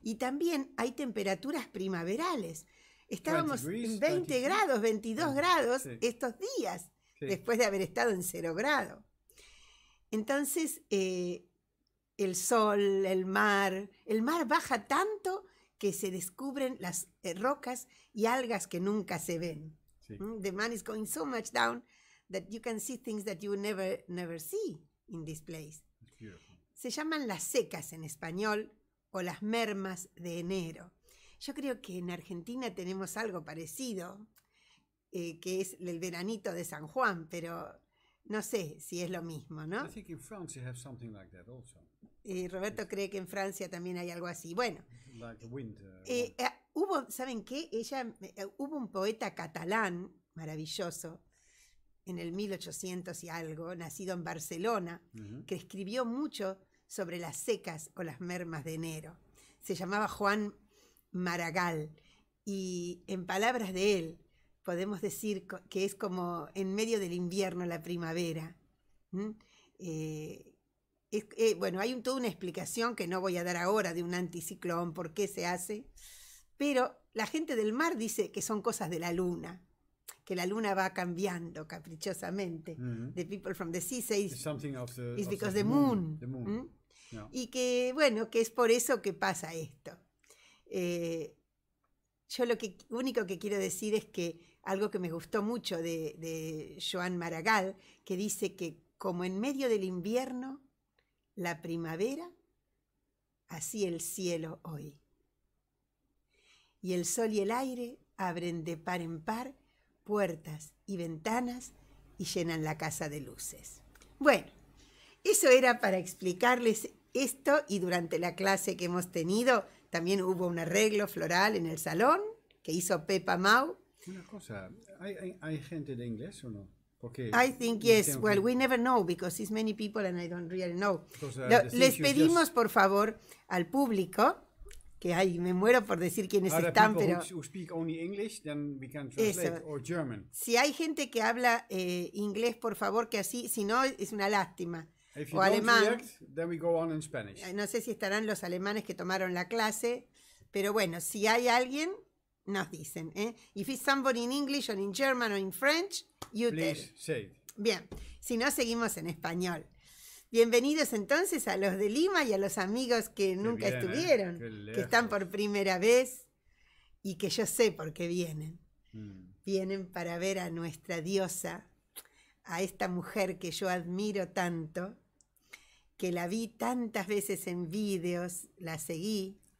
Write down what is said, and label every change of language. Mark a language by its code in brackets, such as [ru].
[es] Y también hay temperaturas primaverales. Estábamos [en] 20 degrees, [es] en 20 20 grados, 22 grados estos días. Sí. Después de haber estado en cero grado. Entonces, el sol, el mar baja tanto que se descubren las rocas y algas que nunca se ven. Sí. [en] The man is going so much down that you can see things that you never see in this place. [es] Se llaman las secas en español o las mermas de enero. Yo creo que en Argentina tenemos algo parecido. Que es el veranito de San Juan, pero no sé si es lo mismo, ¿no? [en] I think in France you have something like that also. [es] Roberto cree que en Francia también hay algo así. Bueno, [en] like the winter. [es] Hubo, ¿saben qué? Hubo un poeta catalán maravilloso en el 1800 y algo, nacido en Barcelona, que escribió mucho sobre las secas o las mermas de enero. Se llamaba Juan Maragall y en palabras de él, podemos decir que es como en medio del invierno, la primavera. Bueno, hay toda una explicación que no voy a dar ahora de un anticiclón, por qué se hace, pero la gente del mar dice que son cosas de la luna, que la luna va cambiando caprichosamente. [en] The people from the sea say it's because the moon. The moon. Yeah. [es] Y que, bueno, que es por eso que pasa esto. Yo lo que único que quiero decir es que algo que me gustó mucho de Joan Maragall, que dice que como en medio del invierno, la primavera, así el cielo hoy. Y el sol y el aire abren de par en par puertas y ventanas y llenan la casa de luces. Bueno, eso era para explicarles esto y durante la clase que hemos tenido también hubo un arreglo floral en el salón que hizo Pepa Mau. Una cosa, ¿hay gente de inglés o no? Porque [en] I think yes. Well, we never know because it's many people and I don't really know. Because, [es] les pedimos, por favor, al público, que ay, me muero por decir quiénes están, pero... [en] Who speak only English, then we can translate, [es] eso. [en] Or German. [es] Si hay gente que habla inglés, por favor, que así, si no, es una lástima. [en] If you [es] o alemán. [en] Don't react, then we go on in Spanish. [es] No sé si estarán los alemanes que tomaron la clase, pero bueno, si hay alguien... Nos dicen, ¿eh? [en] If it's somebody in English or in German or in French, you please Please say. [es] Bien, si no, seguimos en español. Bienvenidos entonces a los de Lima y a los amigos que nunca bien, estuvieron, que están por primera vez y que yo sé por qué vienen. Vienen para ver a nuestra diosa, a esta mujer que yo admiro tanto, que la vi tantas veces en vídeos, la seguí.